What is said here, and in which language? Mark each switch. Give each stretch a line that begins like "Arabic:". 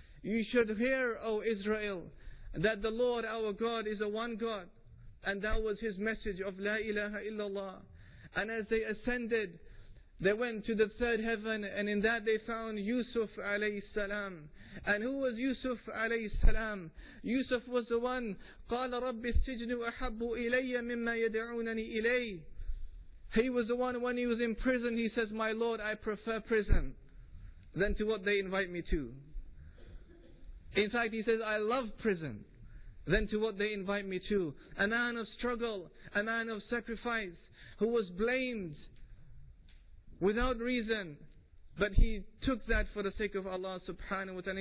English: You should hear, O Israel, that the Lord our God is a one God. And that was his message of La ilaha illallah. And as they ascended, they went to the third heaven, and in that they found Yusuf alayhi salam. And who was Yusuf alayhi salam? Yusuf was the one,
Arabic: قَالَ رَبِّ السِّجْنُ أَحَبُّ إِلَيَّ مِمَّا يَدْعُونَنِي إِلَيَّ.
English: He was the one, when he was in prison, he says, my Lord, I prefer prison than to what they invite me to. In fact, he says, I love prison than to what they invite me to. A man of struggle, a man of sacrifice, who was blamed without reason, but he took that for the sake of Allah subhanahu wa ta'ala.